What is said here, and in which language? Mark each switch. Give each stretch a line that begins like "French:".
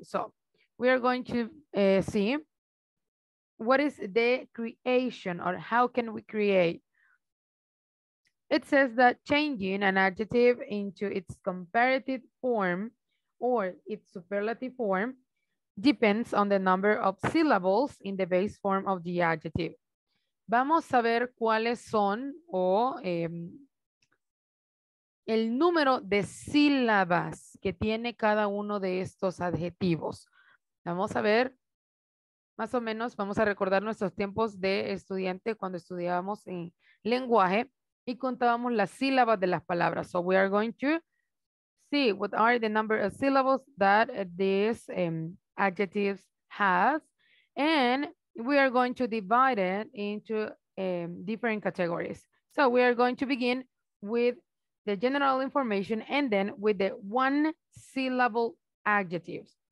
English: So we are going to see what is the creation or how can we create. It says that changing an adjective into its comparative form or its superlative form depends on the number of syllables in the base form of the adjective.
Spanish: Vamos a ver cuáles son o el número de sílabas que tiene cada uno de estos adjetivos. Vamos a ver, más o menos, vamos a recordar nuestros tiempos de estudiante cuando estudiábamos en lenguaje. Y contábamos las sílabas de las palabras.
English: So we are going to see what are the number of syllables that this adjectives has. And we are going to divide it into different categories. So we are going to begin with the general information and then with the one syllable adjectives.